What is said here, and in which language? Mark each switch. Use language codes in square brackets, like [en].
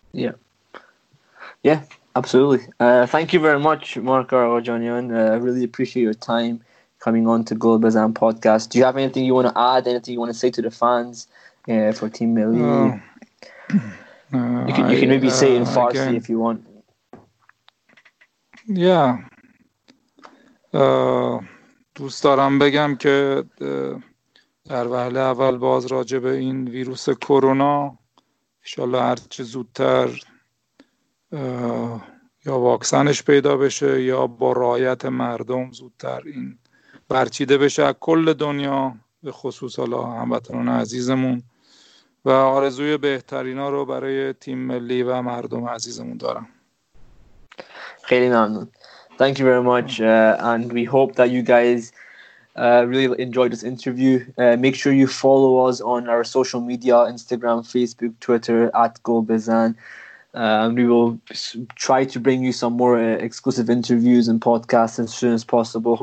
[en] Yeah. Yeah, absolutely. Thank you very much, Mark Arvajanyan. I really appreciate your time coming on to Global Bazan Podcast. Do you have anything you want to add, anything you want to say to the fans for Team Milli? You can say it in Farsi again, if you want. Yeah. [fa] دوست دارم بگم که در وهله اول باز راجع به این ویروس کرونا انشالله هر چه زودتر یا واکسنش پیدا بشه یا با رعایت مردم زودتر این برچیده بشه از کل دنیا به خصوص حالا هموطنان عزیزمون و آرزوی بهترین ها رو برای تیم ملی و مردم عزیزمون دارم. خیلی ممنون. [en] Thank you very much, and we hope that you guys really enjoyed this interview. Make sure you follow us on our social media, Instagram, Facebook, Twitter, @GolBezan. We will try to bring you some more exclusive interviews and podcasts as soon as possible.